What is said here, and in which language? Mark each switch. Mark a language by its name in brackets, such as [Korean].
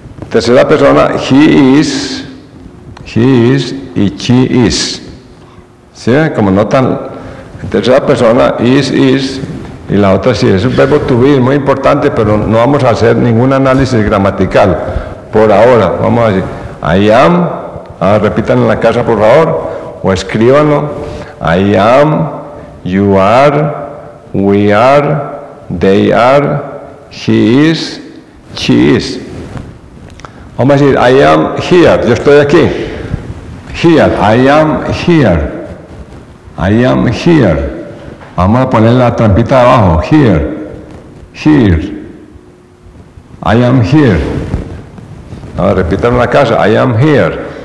[Spanish] Tercera persona, [English] he is [Spanish] y [English] she is. [Spanish] ¿Sí? Como notan, en tercera persona, is, y la otra sí. Es un verbo to be, muy importante, pero no vamos a hacer ningún análisis gramatical por ahora. Vamos a decir, [English] I am, [Spanish] repitan en la casa por favor, o escríbanlo. [English] I am, you are, we are, they are, he is, she is. [Spanish] Vamos a decir, [English] I am here, [Spanish] yo estoy aquí. [English] Here, I am here. I am here. [Spanish] Vamos a poner la trampita abajo. Here. [English] Here. I am here. [Spanish] Ahora repítanlo en la casa. [English] I am here.